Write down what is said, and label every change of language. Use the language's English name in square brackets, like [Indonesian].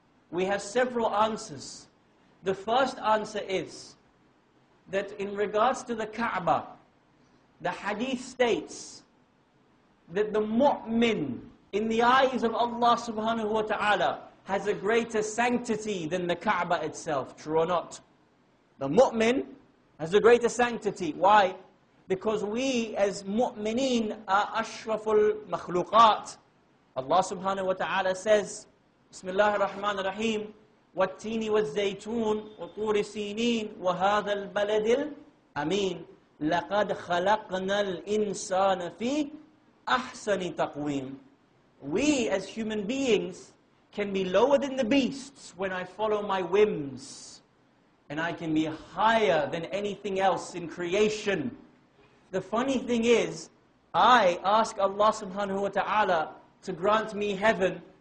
[English] We have several answers. The first answer is that in regards to the Kaaba, the hadith states that the mu'min in the eyes of Allah subhanahu wa ta'ala has a greater sanctity than the Kaaba itself, true or not? The mu'min has a greater sanctity. Why? Because we as mu'mineen are ashraful makhluqat. Allah subhanahu wa ta'ala says, [Arabic] Bismillah ar-Rahman ar-Rahim, وَالتِّينِ وَالزَّيْتُونِ وَطُورِ سِينِينَ وَهَذَا الْبَلَدِ الْأَمِينَ لَقَدْ خَلَقْنَا الْإِنسَانَ فِي أَحْسَنِ تَقْوِيمٍ. [English] We as human beings can be lower than the beasts when I follow my whims, and I can be higher than anything else in creation. The funny thing is, I ask Allah subhanahu wa ta'ala to grant me heaven.